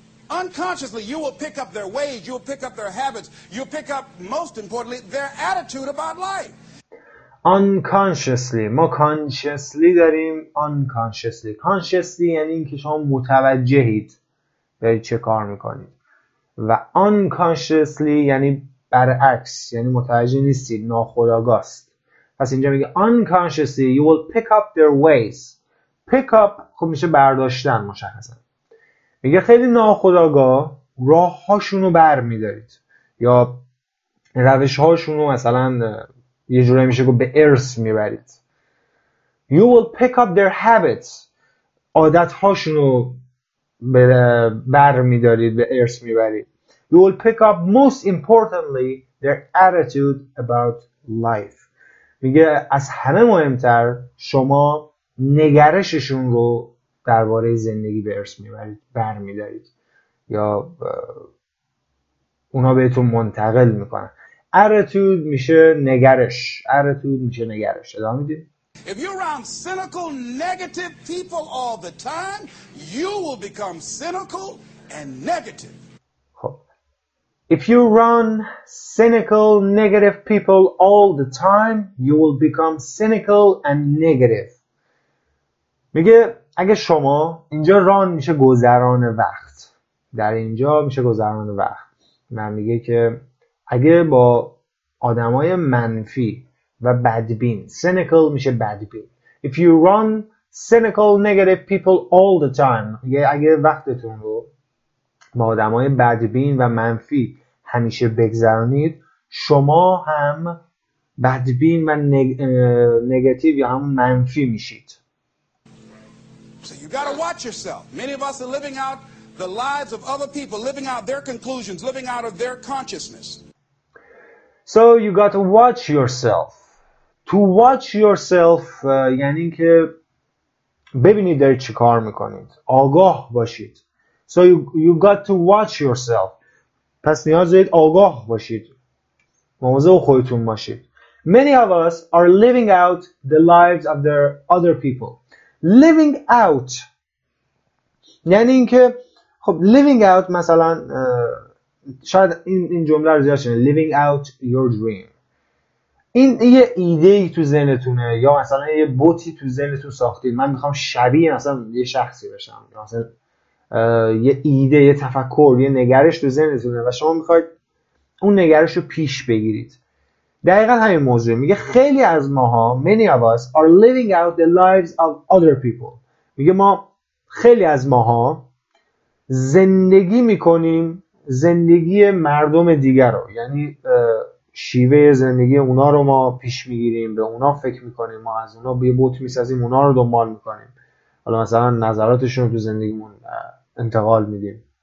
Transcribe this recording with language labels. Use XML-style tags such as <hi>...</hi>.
<en>Unconsciously you will pick up their ways, you will pick up their habits, you pick up most importantly their attitude about life. Unconsciously،</en> <fa>ما</fa> <en>consciously</en> <fa>داریم</fa> <en>unconsciously.</en> <fa>Consciously یعنی این که شما متوجهید دارید چه کار میکنید، و unconsciously یعنی برعکس، یعنی متوجه نیستید، ناخودآگاه است. پس اینجا میگه</fa> <en>unconsciously you will pick up their ways.</en> <fa>pick up خب میشه برداشتن مشخصا. میگه خیلی ناخودآگاه راه هاشون رو بر میدارید یا روش هاشون رو مثلا یه جوره میشه که به ارث میبرید.</fa> <en>you will pick up their habits.</en> <fa>عادت هاشون رو بر میدارید، به ارث میبرید.</fa> <en>you will pick up most importantly their attitude about life.</en> <fa>میگه از همه مهمتر شما نگرششون رو درباره زندگی به ارث میبرید، برمیدارید، یا اونا بهتون منتقل میکنن. attitude میشه نگرش. attitude میشه نگرش. ادامه میدیم.</fa> <en>If you're around cynical negative people all the time, you will become cynical and negative. If you run cynical, negative people all the time, you will become cynical and negative.</en> <fa>میگه اگه شما اینجا ران میشه گذران وقت. در اینجا میشه گذران وقت. من میگه که اگه با آدمای منفی و بدبین، cynical میشه بدبین.</fa> <en>If you run cynical, negative people all the time.</en> <fa>میگه اگه وقتتون رو با آدمای بدبین و منفی همیشه بگذرانید، شما هم بدبین و نگاتیو یا هم منفی میشید.</fa> <en>So you got to watch yourself. Many of us are living out the lives of other people, living out their conclusions, living out of their consciousness. So you got to watch yourself. To watch yourself</en> <fa>یعنی که ببینید دارید چی کار میکنید. آگاه باشید.</fa> <en>So you got to watch yourself.</en> <fa>پس نیاز دارید آگاه باشید. مواظب خودتون باشید.</fa> <en>Many of us are living out the lives of their other people.</en> <fa>Living out یعنی اینکه خب living out مثلا شاید این جمله رو زیاد شنیدید.</fa> <en>Living out your dream.</en> <fa>این یه ایده ای تو ذهنتونه یا مثلا یه بوتی تو ذهنتون ساختید. من میخوام شبیه مثلا یه شخصی بشم. مثلا یه ایده، یه تفکر، یه نگرش تو ذهنتونه و شما میخواید اون نگرش رو پیش بگیرید. دقیقا همین موضوع. میگه خیلی از ماها،</fa> <en>many of us are living out the lives of other people.</en> <fa>میگه ما خیلی از ماها زندگی میکنیم زندگی مردم دیگر رو، یعنی شیوه زندگی اونا رو ما پیش میگیریم، به اونا فکر میکنیم، ما از اونا یه بوت میسازیم، اونا رو دنبال میکنیم، حالا مثلا نظراتشون رو تو زندگیمون انتقال میدیم.</fa>